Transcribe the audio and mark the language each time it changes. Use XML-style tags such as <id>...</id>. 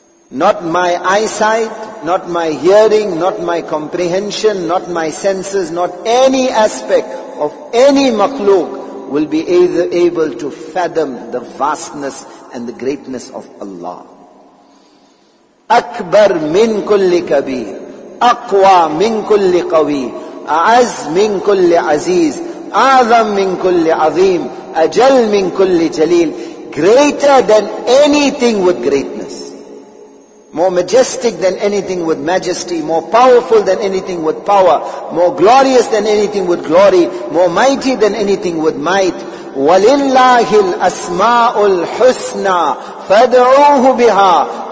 <en>Not my eyesight, not my hearing, not my comprehension, not my senses, not any aspect of any makhluk will be either able to fathom the vastness and the greatness of Allah.</en> <ar>Akbar min kulli kabir, aqwa min kulli qawi, أعز من كل عزيز أعظم من كل عظيم أجل من كل جليل.</ar> <en>Greater than anything with greatness, more majestic than anything with majesty, more powerful than anything with power, more glorious than anything with glory, more mighty than anything with might.</en> <ar>وللله الأسماء الحسنى فادعوه بها.</ar>